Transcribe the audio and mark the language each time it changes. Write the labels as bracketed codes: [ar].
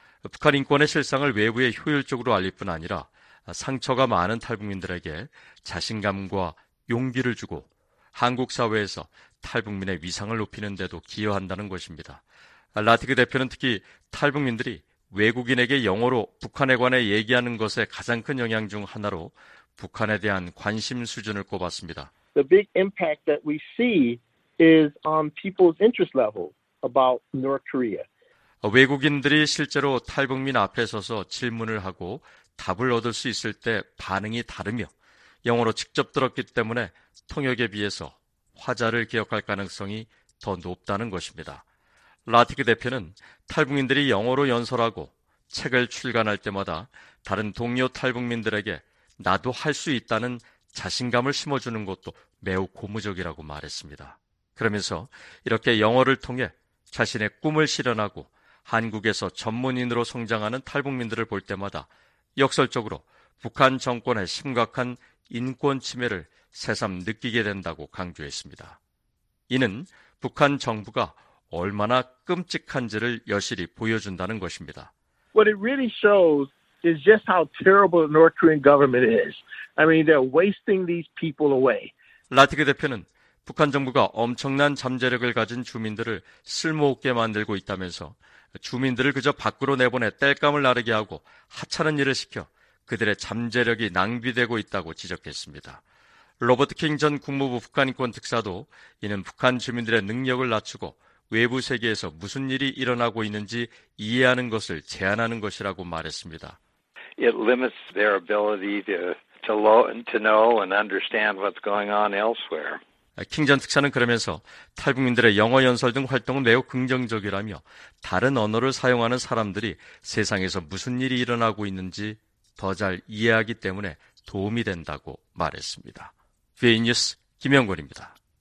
[ko] 북한 인권의 실상을 외부에 효율적으로 알릴 뿐 아니라 상처가 많은 탈북민들에게 자신감과 용기를 주고 한국 사회에서 탈북민의 위상을 높이는 데도 기여한다는 것입니다. 라티그 대표는 특히 탈북민들이 외국인에게 영어로 북한에 관해 얘기하는 것의 가장 큰 영향 중 하나로 북한에 대한 관심 수준을 꼽았습니다. [en] The big impact that we see is on people's interest level about North Korea. [ko] 외국인들이 실제로 탈북민 앞에 서서 질문을 하고 답을 얻을 수 있을 때 반응이 다르며 영어로 직접 들었기 때문에 통역에 비해서 화자를 기억할 가능성이 더 높다는 것입니다. 라티크 대표는 탈북민들이 영어로 연설하고 책을 출간할 때마다 다른 동료 탈북민들에게 나도 할 수 있다는 자신감을 심어주는 것도 매우 고무적이라고 말했습니다. 그러면서 이렇게 영어를 통해 자신의 꿈을 실현하고 한국에서 전문인으로 성장하는 탈북민들을 볼 때마다 역설적으로 북한 정권의 심각한 인권 침해를 새삼 느끼게 된다고 강조했습니다. 이는 북한 정부가 얼마나 끔찍한지를 여실히 보여준다는 것입니다. [en] What it really shows is just how terrible the North Korean government is. I mean, they're wasting these people away. [ko] 라티그 대표는 북한 정부가 엄청난 잠재력을 가진 주민들을 쓸모없게 만들고 있다면서 주민들을 그저 밖으로 내보내 땔감을 나르게 하고 하찮은 일을 시켜 그들의 잠재력이 낭비되고 있다고 지적했습니다. 로버트 킹 전 국무부 북한인권 특사도 이는 북한 주민들의 능력을 낮추고 외부 세계에서 무슨 일이 일어나고 있는지 이해하는 것을 제한하는 것이라고 말했습니다. [en] It limits their ability to know and understand what's going on elsewhere. [ko] 킹 전 특사는 그러면서 탈북민들의 영어 연설 등 활동은 매우 긍정적이라며 다른 언어를 사용하는 사람들이 세상에서 무슨 일이 일어나고 있는지 더 잘 이해하기 때문에 도움이 된다고 말했습니다. VA 뉴스 김영권입니다.